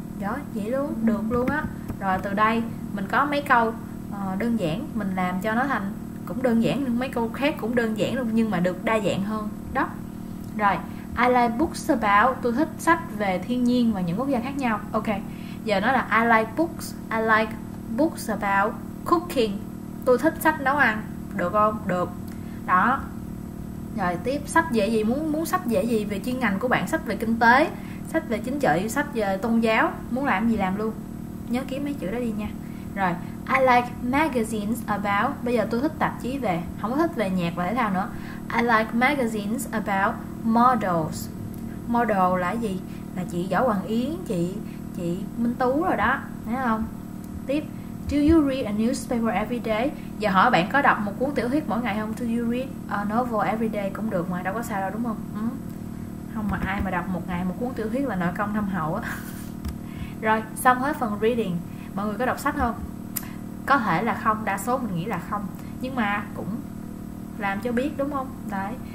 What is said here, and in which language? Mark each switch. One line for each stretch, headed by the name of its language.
Vietnamese: Đó, vậy luôn, được luôn á. Rồi từ đây mình có mấy câu đơn giản, mình làm cho nó thành cũng đơn giản, mấy câu khác cũng đơn giản luôn nhưng mà được đa dạng hơn. Đó. Rồi,
English: I like books about,
Vietnamese: tôi thích sách về thiên nhiên và những quốc gia khác nhau. Ok. Giờ nó là
English: I like books about cooking.
Vietnamese: Tôi thích sách nấu ăn. Được không? Được. Đó. Rồi tiếp, sách về gì? Muốn sách về gì về chuyên ngành của bạn? Sách về kinh tế, sách về chính trị, sách về tôn giáo, muốn làm gì làm luôn. Nhớ kiếm mấy chữ đó đi nha. Rồi,
English: I like magazines about,
Vietnamese: bây giờ tôi thích tạp chí về, không có thích về nhạc và thể thao nữa.
English: I like magazines about models.
Vietnamese: Model là gì? Là chị Võ Hoàng Yến, chị Minh Tú rồi đó, thấy không?
English: Tiếp, do you read a newspaper every day?
Vietnamese: Giờ hỏi bạn có đọc một cuốn tiểu thuyết mỗi ngày không?
English: Do you read a novel every day
Vietnamese: cũng được mà, đâu có sao đâu đúng không? Ừ. Không mà ai mà đọc một ngày một cuốn tiểu thuyết là nội công thâm hậu á. Rồi, xong hết phần reading. Mọi người có đọc sách không? Có thể là không, đa số mình nghĩ là không. Nhưng mà cũng làm cho biết đúng không? Đấy.